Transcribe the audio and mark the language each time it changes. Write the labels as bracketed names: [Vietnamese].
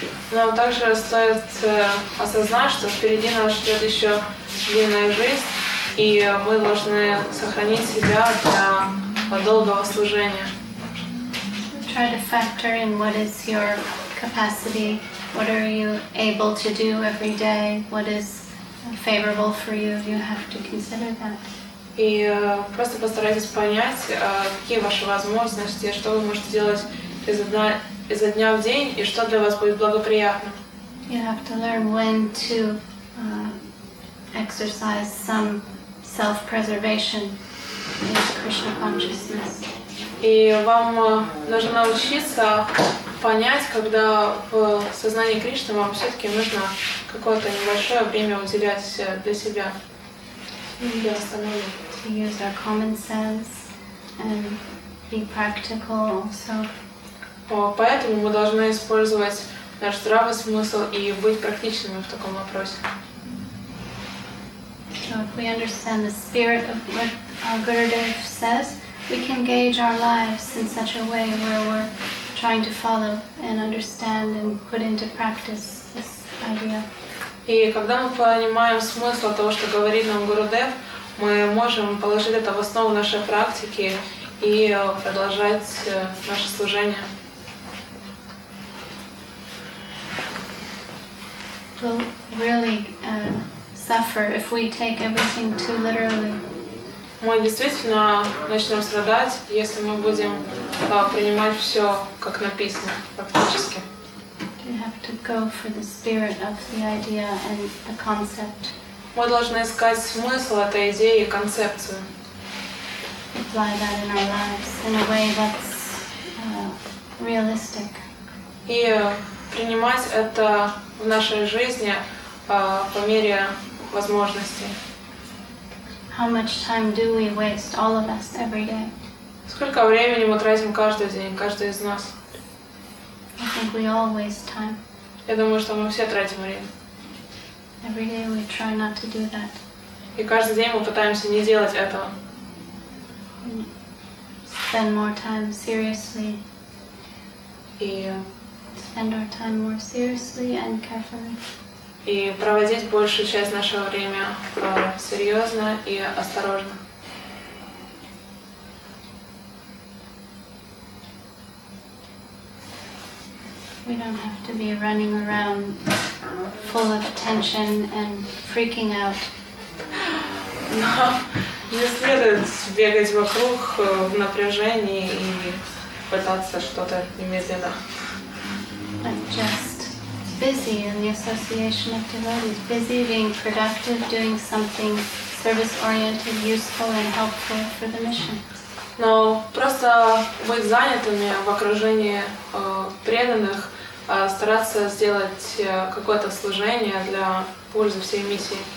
[Russian] Нам также стоит осознать, что впереди нас ждет еще длинная жизнь, и мы должны сохранить себя для долгого служения. [English] try to factor in what is your capacity, what are you able to do every day, what is favorable for you, you have to consider that. [Russian] И просто постарайтесь понять, какие ваши возможности, что вы можете делать изо дня в день, и что для вас будет благоприятно. [English] You have to learn when to exercise some self-preservation in Krishna consciousness. [Russian] И вам нужно научиться понять, когда в сознании Кришны вам все-таки нужно какое-то небольшое время уделять для себя, для остановки. [English] Use our common sense and be practical also. [Russian] Поэтому мы должны использовать наш здравый смысл и быть практичными в таком вопросе. [English] So if we understand the spirit of what our Gurudev says, we can gauge our lives in such a way where we're trying to follow and understand and put into practice this idea. [Russian] И когда мы понимаем смысл того, что говорит нам Гурудев, мы можем положить это в основу нашей практики и продолжать наше служение. [English] We'll really suffer if we take everything too literally. [Russian] Мы действительно начнем страдать, если мы будем принимать все как написано, практически. [English] We have to go for the spirit of the idea and the concept. [Russian] Мы должны искать смысл этой идеи и концепцию. [English] Apply that in our lives in a way that's realistic. [Russian] И принимать это в нашей жизни по мере возможностей. [English] How much time do we waste, all of us, every day? [Russian] Сколько времени мы тратим каждый день, каждый из нас? [English] I think we all waste time. [Russian] Я думаю, что мы все тратим время. [English] Every day we try not to do that. [Russian] И каждый день мы пытаемся не делать этого. [English] Spend more time seriously. [Russian] И [English] spend our time more seriously and carefully. [Russian] И проводить большую часть нашего времени серьезно и осторожно. [English] We don't have to be running around full of tension and freaking out. [Russian] Не следует бегать вокруг в напряжении и пытаться что-то немедленно. [English] But just busy in the association of devotees, busy being productive, doing something service-oriented, useful and helpful for the mission. [Russian] Но просто быть занятыми в окружении преданных, стараться сделать какое-то служение для пользы всей миссии.